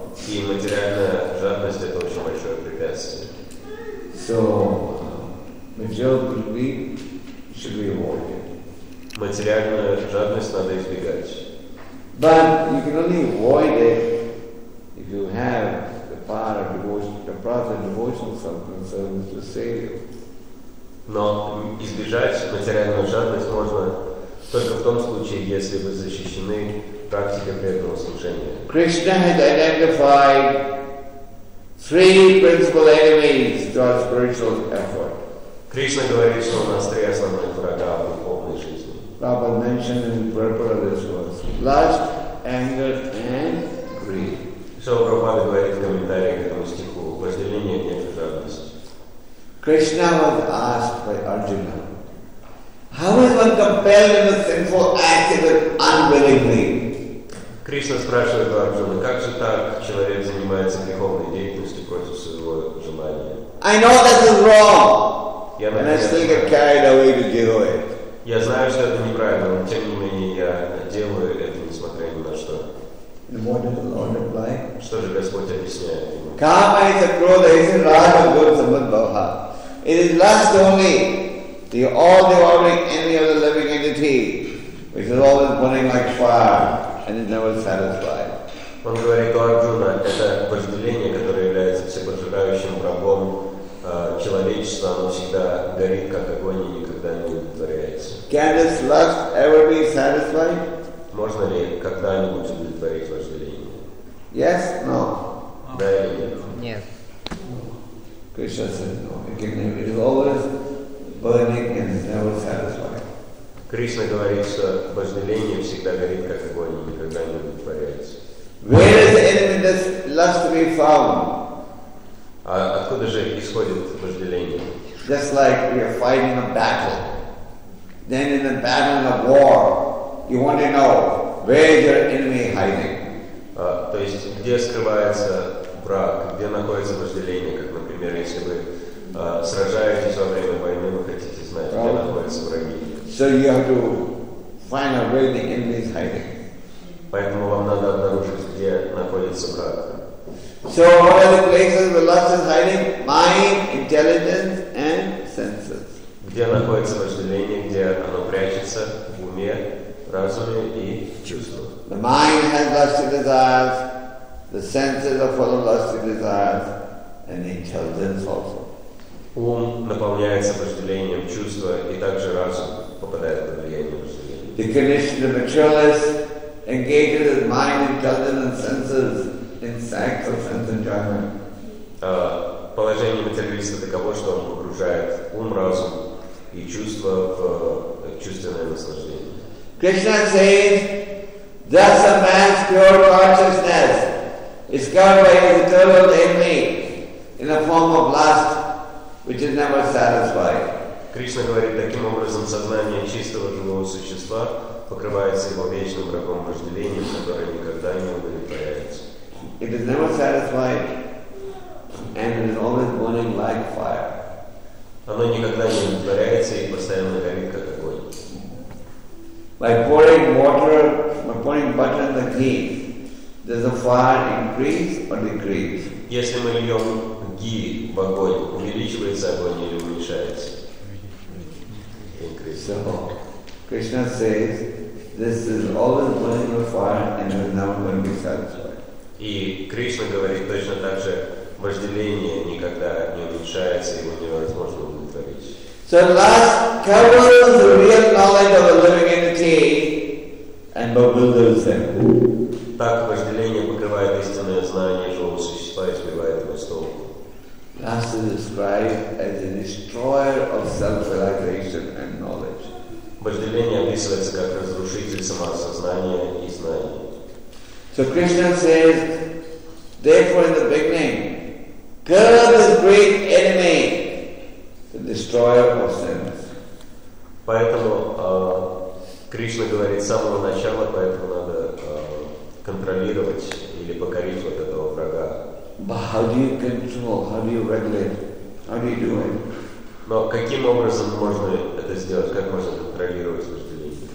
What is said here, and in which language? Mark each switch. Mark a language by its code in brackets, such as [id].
[ru] И материальная жадность — это очень большое препятствие. [en] So, material greed should be avoided. [ru] Материальную жадность надо избегать. [en] But you can only avoid it if you have the power of devotion, the path of devotional self-concernment to save you. [ru] Но избежать материальную жадность можно только в том случае, если вы защищены практикой преданного служения. [en] Krishna has identified three principal enemies to our spiritual effort. [ru] Krishna говорит, что у нас три основных врага в духовной жизни. [en] Prabhupada mentioned in purport of this verse: lust, anger, and greed. [ru] So Prabhupada говорит в комментарии к этому стиху: вожделение, гнев и жадность. [en] Krishna was asked by Arjuna, how is one compelled in a sinful act if it unwillingly? [ru] Krishna спрашивает Арджуну, как же так человек занимается греховной деятельностью против своего желания? [en] I know this is wrong, and I still get carried away to do it. [ru] Я знаю, что это неправильно, но тем не менее я делаю это, несмотря ни на что. [en] And what does the Lord reply? [ru] Что же Господь объясняет ему? [sa] Kama is a krodha, is it raja guru sambandh bhava? [en] It is lust only. The all-devouring enemy of the living entity, which is always burning like fire and is never satisfied. [ru] Он говорит, Арджуна, это вожделение, которое является всепожирающим врагом человечества, оно всегда горит как огонь и никогда не удовлетворяется. [en] Can this lust ever be satisfied? [ru] Можно ли когда-нибудь удовлетворить вожделение? [en] Yes, no. [ru] Да или нет? Нет. [en] Krishna says no. It is always burning and never satisfied. [ru] Krishna говорит, что вожделение всегда горит как огонь и никогда не удовлетворяется. [en] Where is the enemy that lust to be found? [ru] А откуда же исходит вожделение? [en] Just like we are fighting a battle. Then in the battle of war, you want to know where is your enemy hiding. [ru] То есть где скрывается враг, где находится вожделение, как, например, если вы сражаетесь во время войны, вы хотите знать, где находятся враги. [en] So you have to find out where the enemy is hiding. [ru] Поэтому вам надо обнаружить, где находится враг. [en] So what are the places where lust is hiding? Mind, intelligence, and senses. [ru] Где находится вожделение, где оно прячется в уме, разуме и чувствах? [en] The mind has lusty desires, the senses are full of lusty desires, and intelligence also. [ru] Ум наполняется вожделением, чувства и также разум попадает под влияние. [en] The condition of materialist engages his mind, intelligence, and senses in sex or sense enjoyment. [ru] Положение материалиста таково, что он погружает ум, разум и чувства в чувственное наслаждение. [en] Krishna says, thus a man's pure consciousness is covered by his eternal enemy in a form of lust, which is never satisfied. [ru] Кришна говорит, таким образом сознание чистого живого существа покрывается его вечным врагом вожделением, которое никогда не удовлетворяется. [en] It is never satisfied, and it is always burning like fire. [ru] Оно никогда не удовлетворяется и постоянно горит как огонь. [en] By pouring water, by pouring butter in the ghee, does the fire increase or decrease? [ru] Если мы льем ги в огонь, увеличивается огонь или уменьшается? [en] So, Krishna says, this is always burning with fire and is never going to be satisfied. [ru] И Кришна говорит точно так же, вожделение никогда не уменьшается, его невозможно удовлетворить. [en] So lust covers the real knowledge of a living entity and bewilders him. [ru] Так вожделение покрывает истинное знание живого существа и сбивает его с толку. [en] Lust is described as a destroyer of self-realization and knowledge. [ru] Вожделение описывается как разрушитель самосознания и знания. [en] So Krishna says, therefore in the beginning, curse this great enemy, the destroyer of sins. [ru] Поэтому Кришна говорит с самого начала, поэтому надо контролировать или покорить вот этого врага. [en] But how do you control? How do you regulate? How do you do it? [ru] Но каким образом можно это сделать? Как можно контролировать вожделение?